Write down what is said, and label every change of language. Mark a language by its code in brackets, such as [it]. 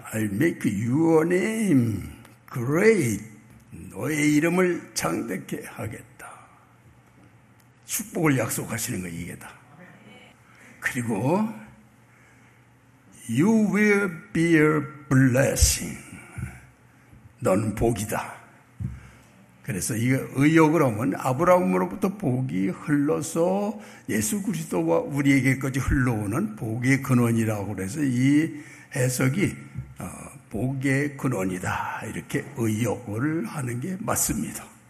[en] I'll make your name great. [ko] 너의 이름을 장대케 하겠다. 축복을 약속하시는 거 이게 다. [en] 그리고 You will be a blessing. [ko] 너는 복이다. 그래서 이게 의역을 하면 아브라함으로부터 복이 흘러서 예수 그리스도와 우리에게까지 흘러오는 복의 근원이라고 해서 이 해석이 복의 근원이다. 이렇게 의역을 하는 게 맞습니다.